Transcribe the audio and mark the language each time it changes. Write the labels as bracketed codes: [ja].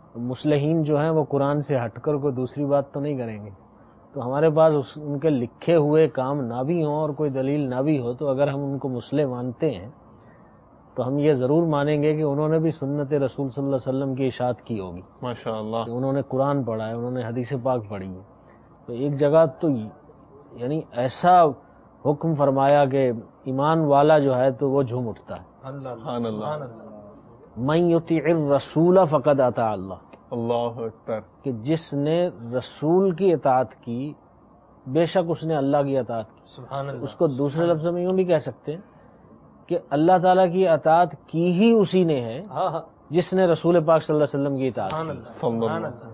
[ur] مسلحین جو ہیں وہ قرآن سے ہٹ کر کوئی دوسری بات تو نہیں کریں گے، تو ہمارے پاس ان کے لکھے ہوئے کام نہ بھی ہوں اور کوئی دلیل نہ بھی ہو، تو اگر ہم ان کو مسلح مانتے ہیں تو ہم یہ ضرور مانیں گے کہ انہوں نے بھی سنت رسول صلی اللہ علیہ وسلم کی اشاعت کی ہوگی. ماشاءاللہ. کہ انہوں نے قرآن پڑھا ہے، انہوں نے حدیث پاک پڑھی ہے. تو ایک جگہ تو یعنی ایسا حکم فرمایا کہ ایمان والا جو ہے تو وہ جھوم اٹھتا ہے. سبحان اللہ. [ar] من یطیع الرسول فقد اطاع اللہ. [ur] اللہ اکبر. کہ جس نے رسول کی اطاعت کی بے شک اس نے اللہ کی اطاعت کی. سبحان اللہ. اس کو دوسرے لفظ میں یوں بھی کہہ سکتے ہیں کہ اللہ تعالیٰ کی اطاعت کی ہی اسی نے ہے جس نے رسول پاک صلی اللہ علیہ وسلم کی اطاعت